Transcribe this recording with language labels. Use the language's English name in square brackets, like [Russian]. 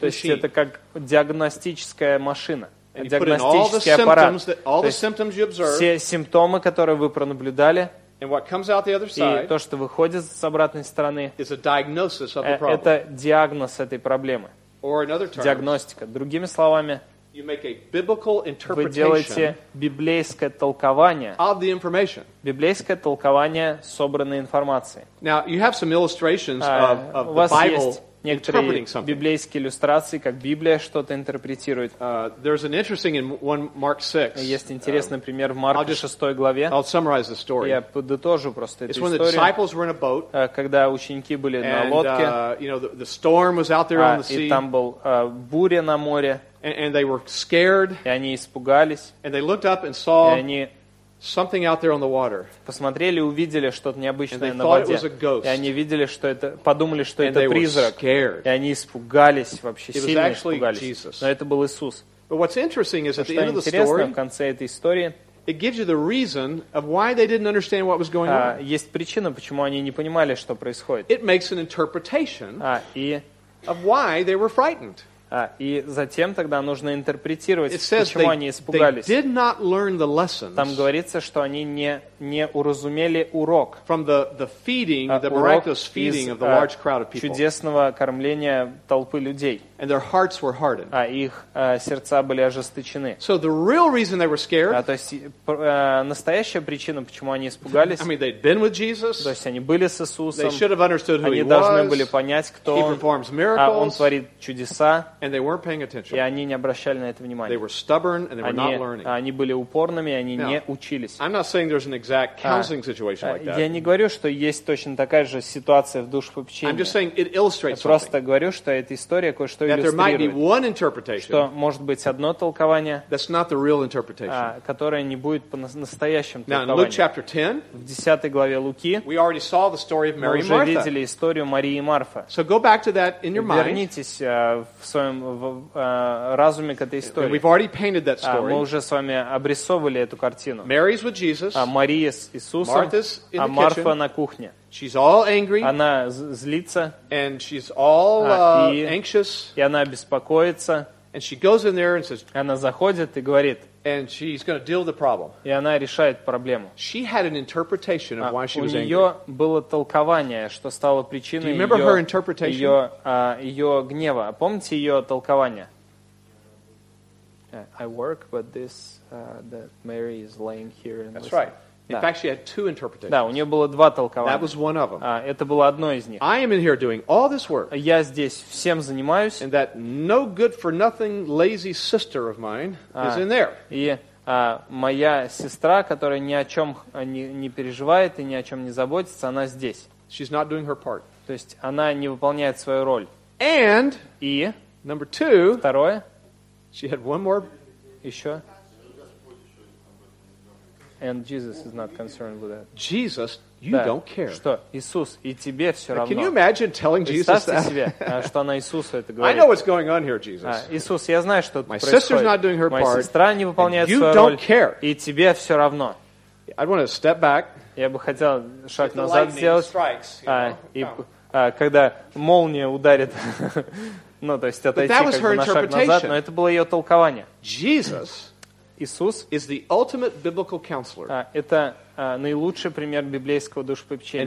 [Russian] То есть это как диагностическая машина. [English] And [Russian] диагностический [English] you put in all the [Russian] аппарат. [English] Symptoms that, all the symptoms you observe. [Russian] Все симптомы, которые вы пронаблюдали. [English] And what comes out the other side. [Russian] И то, что выходит с обратной стороны. [English] Is a diagnosis of the problem. [Russian] Это диагноз этой проблемы. [English] Or in other terms, [Russian] диагностика. Другими словами, [English] you make a biblical interpretation [Russian] вы делаете библейское толкование, [English] of the information. [Russian] Библейское толкование собранной информации. [English] Now, you have some illustrations of the Bible [Russian] некоторые библейские иллюстрации, как Библия что-то интерпретирует. [English] There's an interesting in one Mark 6. [Russian] Есть интересный пример в Марка 6 главе. [English] I'll summarize the story. [Russian] Я подытожу просто эту историю. [English] It's when the disciples were in a boat. [Russian] Когда ученики были на лодке. [English] The storm was out there on the sea. [Russian] И там был буря на море. [English] And they were scared. [Russian] И они испугались. [English] And they looked up and saw something out there on the water. [Russian] Посмотрели, увидели что-то необычное на воде. И они видели, что это, подумали, что это призрак. И они испугались вообще, сильно испугались. Но это был Иисус. [English] But what's interesting is at the end of the story. [Russian] Что интересно, в конце этой истории. [English] It gives you the reason of why they didn't understand what was going on. [Russian] Есть причина, почему они не понимали, что происходит. [English] It makes an interpretation. Of why they were frightened. [Russian] И затем тогда нужно интерпретировать, почему они испугались. [English] They did not learn the lessons. [Russian] Там говорится, что они не уразумели урок. [English] From the feeding, the miraculous feeding of the large crowd of people. [Russian] Чудесного кормления толпы людей. [English] And their hearts were hardened. [Russian] Их сердца были ожесточены. [English] So the real reason they were scared. [Russian] То есть настоящая причина, почему они испугались. [English] I mean, they'd been with Jesus. [Russian] То есть они были с Иисусом. [English] They should have understood who [Russian] они [English] he was. [Russian] Они должны были понять, кто [English] he [Russian] он. [English] He performs miracles. [Russian] Он творит чудеса. [English] And they weren't paying attention. [Russian] И они не обращали на это внимания. [English] They were stubborn and they were not learning. [Russian] Они были упорными, и они не учились. [English] I'm not saying there's an exact counseling situation like that. [Russian] Я не говорю, что есть точно такая же ситуация в душепопечении. [English] I'm just saying it illustrates something. [Russian] Я просто говорю, что эта история кое-что [English] that there might be one interpretation, [Russian] что может быть одно толкование, [English] that's not the real interpretation. [Russian] Которое не будет по-настоящему толкованием. [English] Now, in Luke chapter 10, [Russian] в 10 главе Луки, [English] we already saw the story of Mary [Russian] мы уже видели историю Марии и Марфы. [English] So go back to that in your mind. [Russian] Вернитесь в своем разуме к этой истории. [English] We've already painted that story. [Russian] Мы уже с вами обрисовывали эту картину. [English] Mary's with Jesus, [Russian] Мария с Иисусом, [English] Martha's in the kitchen, [Russian] Марфа на кухне. [English] She's all angry. [Russian] Она злится. [English] And she's all anxious. [Russian] И она беспокоится. [English] And she goes in there and says. [Russian] Она заходит и говорит. [English] And she's going to deal with the problem. [Russian] И она решает проблему. [English] She had an interpretation of why she was angry. [Russian] У нее было толкование, что стало причиной [English] ее. Do you remember her interpretation? [Russian] Ее гнева. Помните ее толкование? [English] I work, but this that Mary is laying here. And that's right. In fact, she had two interpretations. [Russian] Да, у нее было два толкования. [English] That was one of them. [Russian] Это было одно из них. [English] I am in here doing all this work. [Russian] Я здесь всем занимаюсь. [English] And that no good for nothing lazy sister of mine is in there. [Russian] И моя сестра, которая ни о чем не переживает и ни о чем не заботится, она здесь. [English] She's not doing her part. [Russian] То есть она не выполняет свою роль. [English] And, [Russian] и [English] number two, [Russian] второе, [English] she had one more... [Russian] еще. [English] And Jesus is not concerned with that. Jesus, you [Russian] да. [English] Don't care. [Russian] Что? Иисус, и тебе все [English] Can [Russian] равно. [English] Can you imagine telling Jesus that? [Russian] Представьте себе, что она Иисусу это говорит. [English] I know what's going on here, Jesus. [Russian] Иисус, я знаю, что [English] My [Russian] происходит. [English] Sister's not doing her [Russian] Моя сестра не выполняет свою роль. You don't care. И тебе все равно. [English] I'd want to step back. [Russian] Я бы хотел шаг назад сделать. [English] Strikes, you know? [Russian] И когда молния ударит, ну, то есть отойти как бы на шаг назад, но это было ее толкование. [English] Jesus. [Russian] Иисус [English] is the ultimate biblical counselor. [Russian] Это наилучший пример библейского душепопечения.